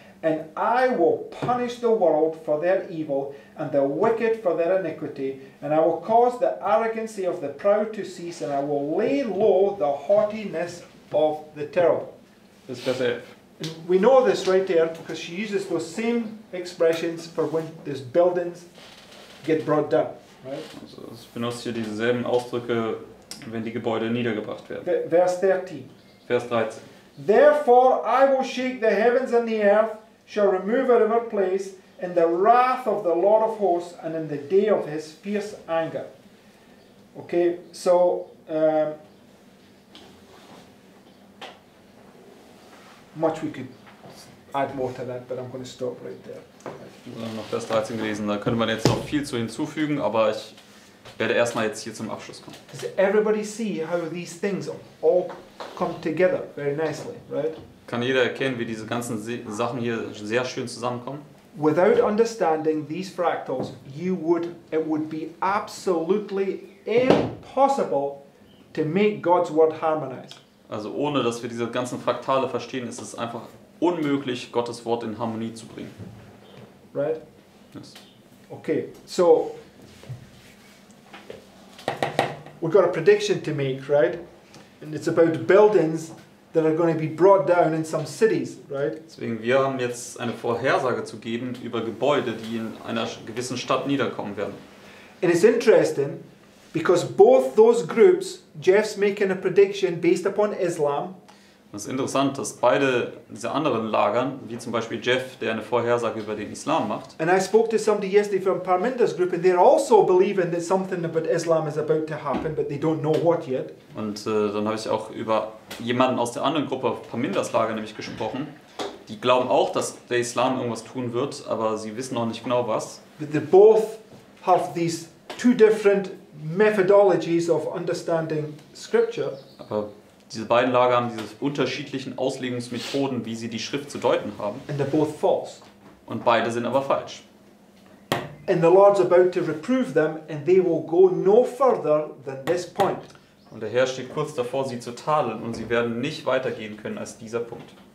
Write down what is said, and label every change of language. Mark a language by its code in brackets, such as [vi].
[en] And I will punish the world for their evil, and the wicked for their iniquity. And I will cause the arrogancy of the proud to cease, and I will lay low the haughtiness of the terrible. [de] Das ist Vers 11. [en] We know this right there, because she uses those same expressions for when these buildings get brought down. Right? [de] Also, es benutzt hier dieselben Ausdrücke, wenn die Gebäude niedergebracht werden. Vers 13. Vers 13. [en] Therefore I will shake the heavens and the earth, shall remove out of her place in the wrath of the Lord of hosts and in the day of his fierce anger. Okay, so much we could add more to that, but I'm going to stop right there. [de] Wir haben noch Vers 13 gelesen, da könnte man jetzt noch viel zu hinzufügen, aber ich werde erstmal jetzt hier zum Abschluss kommen. [en] Does everybody see how these things all come together very nicely, right? [de] Kann jeder erkennen, wie diese ganzen Sachen hier sehr schön zusammenkommen? [en] Without understanding these fractals, it would be absolutely impossible to make God's word harmonize. [de] Also ohne dass wir diese ganzen Fraktale verstehen, ist es einfach unmöglich, Gottes Wort in Harmonie zu bringen. [en] Right? Yes. Okay, so we've got a prediction to make, right? And it's about buildings that are going to be brought down in some cities, right? [de] Deswegen, wir haben jetzt eine Vorhersage zu geben über Gebäude, die in einer gewissen Stadt niederkommen werden. [en] And it's interesting because both those groups, Jeff's making a prediction based upon Islam. [de] Es ist interessant, dass beide diese anderen Lagern, wie zum Beispiel Jeff, der eine Vorhersage über den Islam macht. [en] And I spoke to somebody yesterday from Parminder's group, and they're also believing that something about Islam is about to happen, but they don't know what yet. [de] Und dann habe ich auch über jemanden aus der anderen Gruppe, Parminder's Lager, nämlich gesprochen. Die glauben auch, dass der Islam irgendwas tun wird, aber sie wissen noch nicht genau was. [en] But they both have these two different methodologies of understanding scripture. [de] Aber diese beiden Lager haben diese unterschiedlichen Auslegungsmethoden, wie sie die Schrift zu deuten haben. [en] And they're both false. [de] Und beide sind aber falsch. [en] And the Lord's about to reprove them, and they will go no further than this point. [de] Und der Herr steht kurz davor, sie zu tadeln, und sie werden nicht weitergehen können als dieser Punkt.